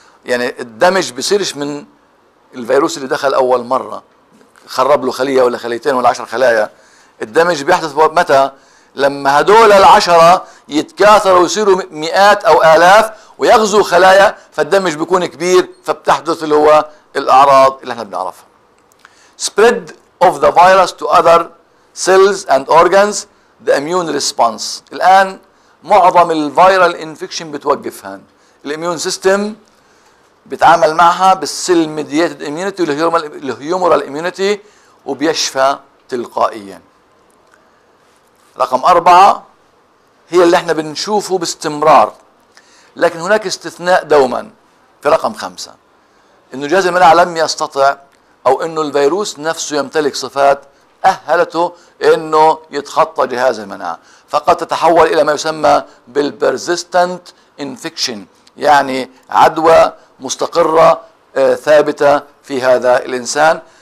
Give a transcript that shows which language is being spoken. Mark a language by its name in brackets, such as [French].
[Arabic] يعني الدمج بيصيرش من الفيروس اللي دخل اول مرة خرب له خلية ولا خليتين ولا 10 خلايا. الدمج بيحدث متى؟ لما هدول العشرة يتكاثروا ويصيروا مئات او الاف ويغزوا خلايا, فالدمج بيكون كبير, فبتحدث اللي هو الاعراض اللي احنا بنعرفها. [English] Spread of the virus to other cells and organs, the immune response. [Arabic] الان معظم الفيرال انفكشن بتوقف هان, الاميون سيستم بتعامل معها بالسيل ميدييتد اميونيتي والهيومورال اميونيتي وبيشفى تلقائيا. رقم أربعة هي اللي احنا بنشوفه باستمرار, لكن هناك استثناء دوما في رقم خمسة, انه جهاز المناعة لم يستطع او انه الفيروس نفسه يمتلك صفات اهلته انه يتخطى جهاز المناعة, فقد تتحول الى ما يسمى بالبرزيستنت انفكشن, يعني عدوى مستقرة ثابتة في هذا الانسان.